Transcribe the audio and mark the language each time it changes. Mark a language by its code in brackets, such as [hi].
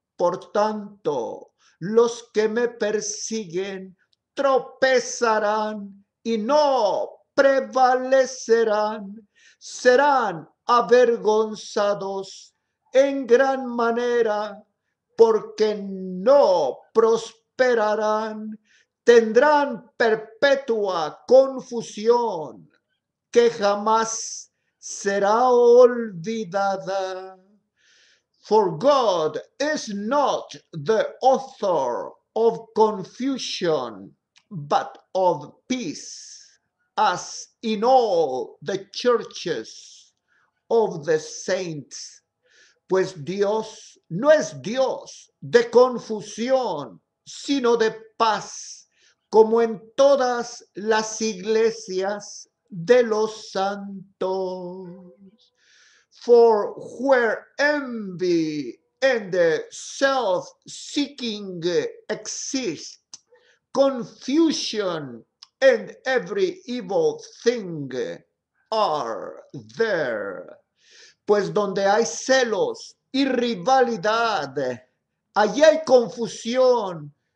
[es] Por tanto, los que me persiguen tropezarán y no prevalecerán, serán avergonzados en gran manera porque no prosperarán, tendrán perpetua confusión que jamás será olvidada. [en] For God is not the author of confusion, but of peace, as in all the churches of the saints. [es] Pues Dios no es Dios de confusión, sino de paz, como en todas las iglesias de los santos. [en] For where envy and self-seeking exist, confusion and every evil thing are there. [es] Pues donde hay celos y rivalidad, allí hay confusión